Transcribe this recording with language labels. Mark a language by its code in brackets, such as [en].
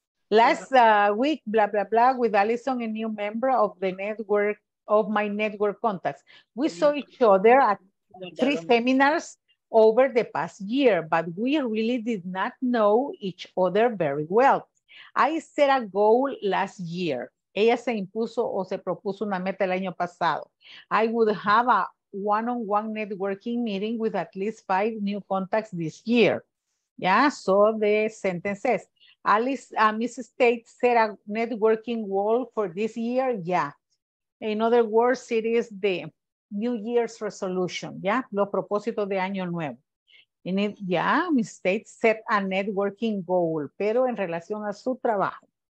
[en] Last week, blah, blah, blah, with Alison, a new member of the network, of my network contacts. We saw each other at three seminars over the past year, but we really did not know each other very well. I set a goal last year. [es] Ella se impuso o se propuso una meta el año pasado. [en] I would have a one-on-one networking meeting with at least 5 new contacts this year. Yeah, so the sentence is, Mrs. Tate set a networking goal for this year. Yeah. In other words, it is the New Year's resolution. [es] Yeah, lo propósito de año nuevo. Mrs. Tate set a networking goal, pero en relación a su trabajo.